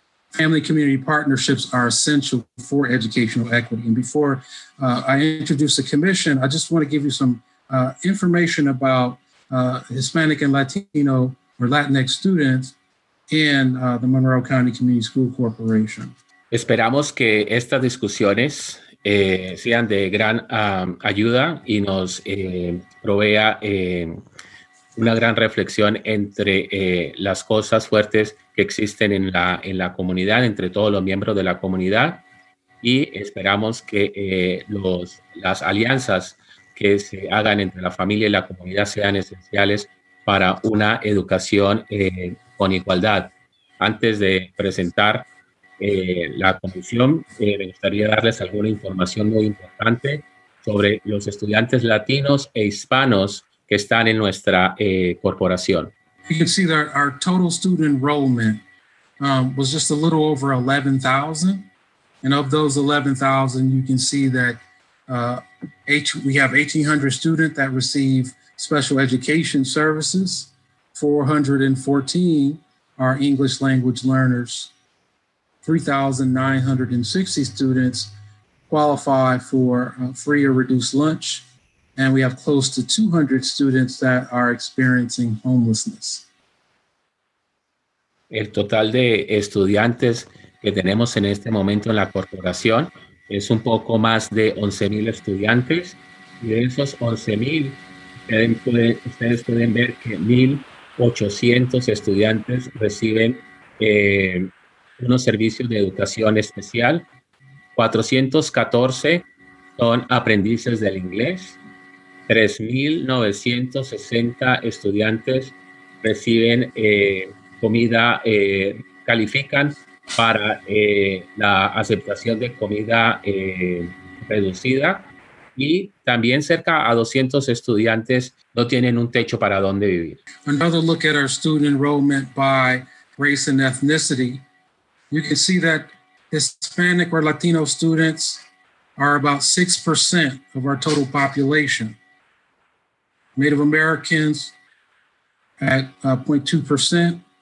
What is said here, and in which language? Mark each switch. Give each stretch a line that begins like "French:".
English: Family-community partnerships are essential for educational equity. And before I introduce the commission, I just want to give you some information about Hispanic and Latino or Latinx students in the Monroe County Community School Corporation.
Spanish: Esperamos que estas discusiones sean de gran ayuda y nos provea una gran reflexión entre las cosas fuertes que existen en la comunidad, entre todos los miembros de la comunidad, y esperamos que las alianzas que se hagan entre la familia y la comunidad sean esenciales para una educación con igualdad. Antes de presentar la comisión, me gustaría darles alguna información muy importante sobre los estudiantes latinos e hispanos que están en nuestra corporación.
English: You can see that our total student enrollment was just a little over 11,000. And of those 11,000, you can see that we have 1,800 students that receive special education services, 414 are English language learners, 3,960 students qualify for free or reduced lunch, and we have close to 200 students that are experiencing homelessness.
Spanish: El total de estudiantes que tenemos en este momento en la corporación es un poco más de 11,000 estudiantes, y de esos 11,000, ustedes pueden ver que 1,800 estudiantes reciben unos servicios de educación especial. 414 son aprendices del inglés. 3,960 estudiantes reciben comida, califican para la aceptación de comida reducida. Y también cerca a 200 estudiantes no tienen un techo para donde vivir.
English: Another look at our student enrollment by race and ethnicity. You can see that Hispanic or Latino students are about 6% of our total population. Native Americans at 0.2%.